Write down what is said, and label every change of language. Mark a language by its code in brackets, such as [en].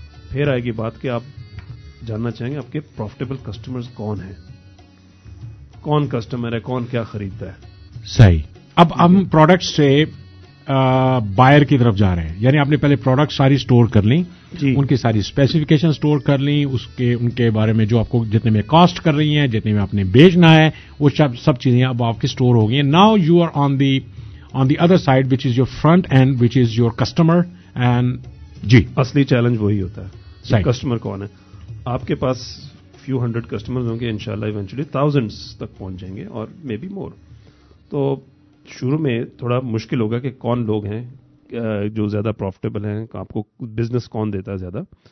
[ur] پھر آئے گی بات کہ آپ جاننا چاہیں گے آپ کے پروفیٹیبل کسٹمرز کون ہیں, کون کسٹمر ہے, کون کیا خریدتا ہے. صحیح, اب ہم پروڈکٹ سے بائر کی طرف جا رہے ہیں, یعنی آپ نے پہلے پروڈکٹ ساری سٹور کر لیں, ان کی ساری اسپیسیفکیشن سٹور کر لیں, اس کے ان کے بارے میں جو آپ کو جتنے میں کاسٹ کر رہی ہیں, جتنے میں آپ نے بیچنا ہے, وہ سب چیزیں اب آپ کی سٹور ہو گئی ہیں. [en] Now you are on the other side which is your front end which is your customer. And جی, [ur] اصلی چیلنج وہی ہوتا ہے کسٹمر کون ہے. آپ کے پاس فیو ہنڈریڈ کسٹمر ہوں گے, ان شاء اللہ ایونچولی تھاؤزینڈ تک پہنچ جائیں گے اور مے بی مور. تو شروع میں تھوڑا مشکل ہوگا کہ کون لوگ ہیں جو زیادہ پروفیٹیبل ہیں, آپ کو بزنس کون دیتا ہے زیادہ.